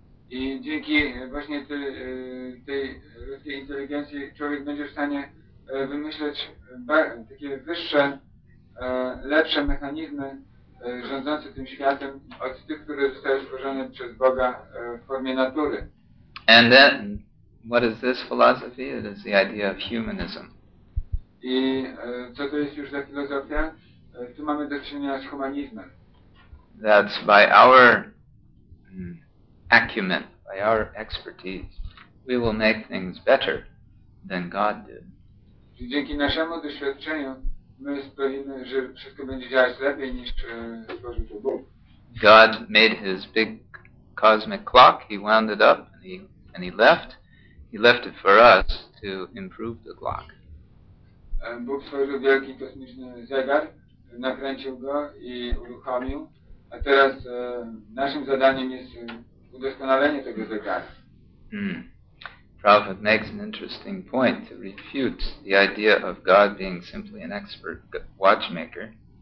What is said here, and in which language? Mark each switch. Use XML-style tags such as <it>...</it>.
<pl>I dzięki właśnie tej ludzkiej inteligencji człowiek będzie w stanie wymyśleć takie wyższe, lepsze mechanizmy rządzący tym światem od tych, które zostały stworzone przez Boga w formie natury.</pl> <en>And then, what is this philosophy? It is the idea of humanism.</en> <pl>I co to jest już za filozofia? Tu mamy do czynienia z humanizmem.</pl> <en>That's by our acumen, by our expertise, we will make things better than God did.</en> <pl>I dzięki naszemu doświadczeniu my sprawimy, że wszystko będzie działać lepiej niż stworzył to Bóg.</pl> <en>God made his big cosmic clock, he wound it up, and he left it for us to improve the clock.</en> <pl>Bóg stworzył wielki kosmiczny zegar, nakręcił go i uruchomił, a teraz naszym zadaniem jest udoskonalenie tego zegara.</pl> <en>Prabhupada makes an interesting point to refute the idea of God being simply an expert watchmaker.</en>